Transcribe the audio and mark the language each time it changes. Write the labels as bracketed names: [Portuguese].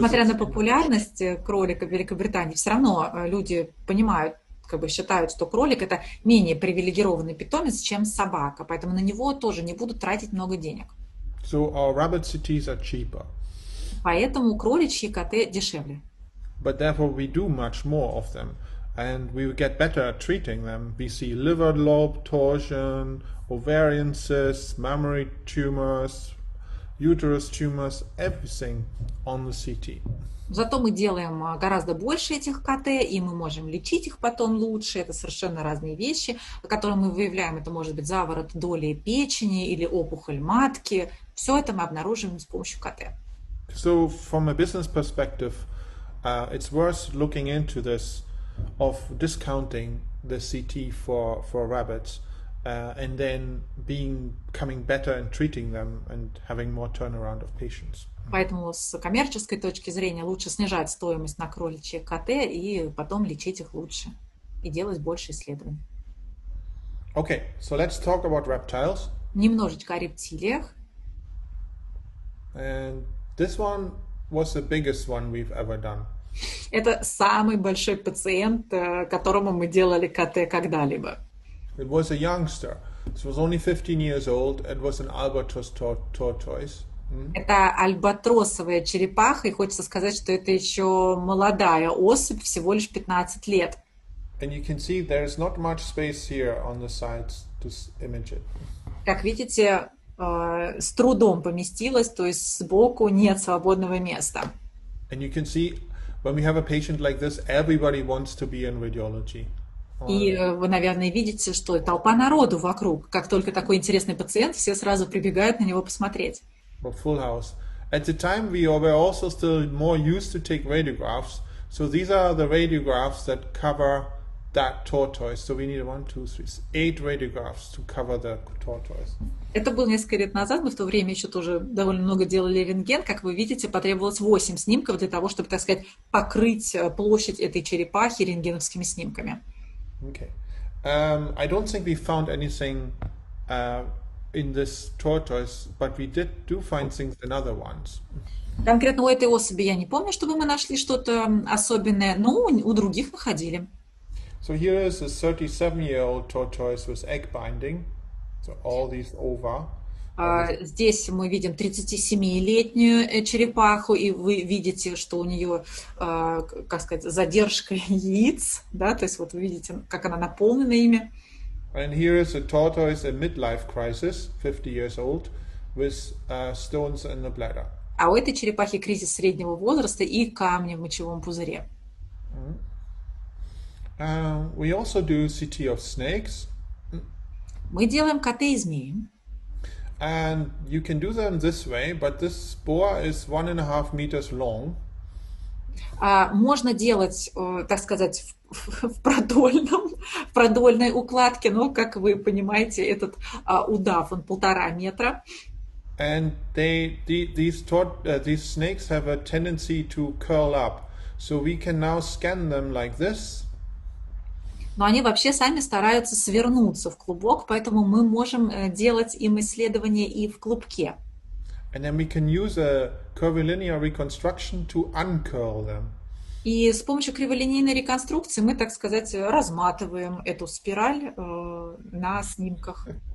[Russian] Несмотря на популярность кролика в Великобритании, все равно люди понимают, как бы считают, что кролик это менее привилегированный питомец, чем собака, поэтому на него тоже не будут тратить много денег. [English] So our rabbit CTs are cheaper. [Russian] Поэтому кроличьи КТ дешевле. [English] But therefore we do much more of them, and we get better at treating them. We see liver lobe torsion, ovarian cysts, mammary tumors, uterus, tumors, everything on the CT. [Russian] Зато мы делаем гораздо больше этих КТ, и мы можем лечить их потом лучше. Это совершенно разные вещи, которые мы выявляем. Это может быть заворот доли печени или опухоль матки. Все это мы обнаружим с помощью КТ. [English] So from a business perspective, it's worth looking into this of discounting the CT for rabbits, and then coming better and treating them and having more turnaround of patients. [Russian] Поэтому с коммерческой точки зрения лучше снижать стоимость на кроличье КТ и потом лечить их лучше и делать больше исследований. [English] Okay, so let's talk about reptiles. [Russian] Немножечко о рептилиях. [English] And this one was the biggest one we've ever done. [Russian] Это самый большой пациент, которому мы делали КТ когда-либо. [English] It was a youngster. It was only 15 years old. It was an albatross tortoise. [Russian] Это альбатросовая черепаха, и хочется сказать, что это еще молодая особь, всего лишь 15 лет. [English] And you can see there is not much space here on the sides to image it. [Russian] Как видите, с трудом поместилось, то есть сбоку нет свободного места. And you can see, when we have a patient like this, everybody wants to be in radiology. И вы, наверное, видите, что толпа народу вокруг. Как только такой интересный пациент, все сразу прибегают на него посмотреть. [English] But full house. At the time, we were also still more used to take radiographs. So these are the radiographs that cover that tortoise. So we need 8 radiographs to cover the tortoise. [Russian] Это было несколько лет назад. Мы в то время еще тоже довольно много делали рентген. Как вы видите, потребовалось 8 снимков для того, чтобы, так сказать, покрыть площадь этой черепахи рентгеновскими снимками. [English] Okay. I don't think we found anything in this tortoise, but we do find things in other ones. [Russian] Конкретно у этой особи я не помню, чтобы мы нашли что-то особенное, но у других находили. [English] So here is a 37-year-old tortoise with egg binding. So all these ova. [Russian] Здесь мы видим 37-летнюю черепаху, и вы видите, что у нее, как сказать, задержка яиц, да, то есть вот вы видите, как она наполнена ими. [English] And here is a tortoise in midlife crisis, 50 years old, with stones in the bladder. [Russian] А у этой черепахи кризис среднего возраста и камни в мочевом пузыре. [English] We also do CT of snakes. [Russian] Мы делаем КТ и змеи. [English] And you can do them this way, but this spore is 1.5 meters long. [Russian] Можно делать, так сказать, в продольной укладке, но, как вы понимаете, этот удав, он 1.5 метра. [English] And these snakes have a tendency to curl up, so we can now scan them like this. [Russian] Но они вообще сами стараются свернуться в клубок, поэтому мы можем делать им исследования и в клубке. [English] And then we can use a curvilinear reconstruction to uncurl them. [Russian] И с помощью криволинейной реконструкции мы, так сказать, разматываем эту спираль на снимках.